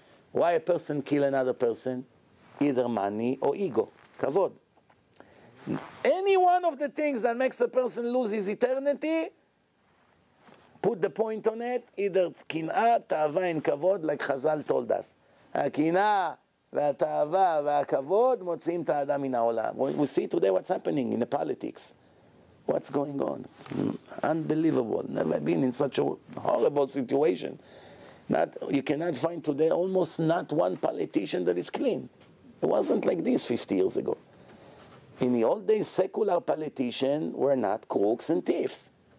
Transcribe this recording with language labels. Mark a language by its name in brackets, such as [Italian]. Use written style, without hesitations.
[English] Why a person kill another person? Either money or ego, כבוד. Any one of the things that makes a person lose his eternity, put the point on it, either קנאה, תאווה, and כבוד, like Chazal told us. [Hebrew] הקנאה והתאווה והכבוד מוציאים את האדם מן העולם. [English] We see today what's happening in the politics. What's going on? Unbelievable. Never been in such a horrible situation. Not, you cannot find today almost not one politician that is clean. It wasn't like this 50 years ago. In the old days, secular politicians were not crooks and thieves.